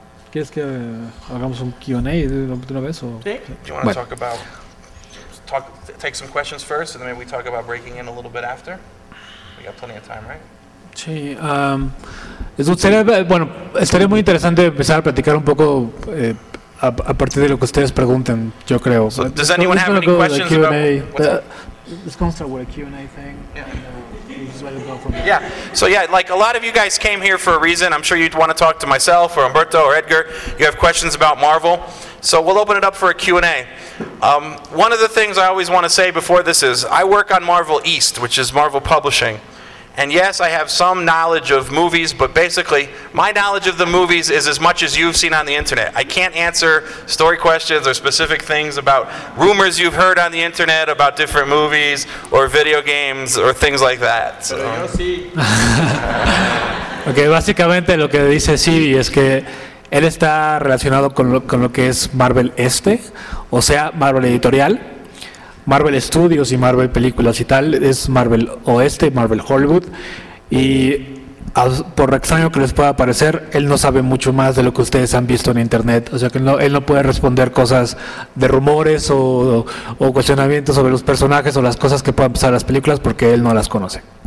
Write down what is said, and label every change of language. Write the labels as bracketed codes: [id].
[es] ¿Quieres que hagamos un Q&A de una vez? [en] Do you want to take some questions first, and then maybe we talk about breaking in a little bit after? We got plenty of time, right? [es] Sí. Estaría muy interesante empezar a platicar un poco a partir de lo que ustedes pregunten, yo creo. [en] So does anyone have any questions about Q&A? Let's go start with a Q&A thing. Like a lot of you guys came here for a reason. I'm sure you'd want to talk to myself or Humberto or Edgar. You have questions about Marvel. So we'll open it up for a Q&A. One of the things I always want to say before this is, I work on Marvel East, which is Marvel Publishing. And yes, I have some knowledge of movies, but basically, my knowledge of the movies is as much as you've seen on the internet. I can't answer story questions or specific things about rumors you've heard on the internet about different movies or video games or things like that. So. [es] Okay, básicamente lo que dice Siri es que él está relacionado con lo que es Marvel Este, o sea, Marvel Editorial. Marvel Studios y Marvel Películas y tal, es Marvel Oeste, Marvel Hollywood, y por extraño que les pueda parecer, él no sabe mucho más de lo que ustedes han visto en internet, o sea que él no puede responder cosas de rumores o cuestionamientos sobre los personajes o las cosas que puedan pasar en las películas porque él no las conoce.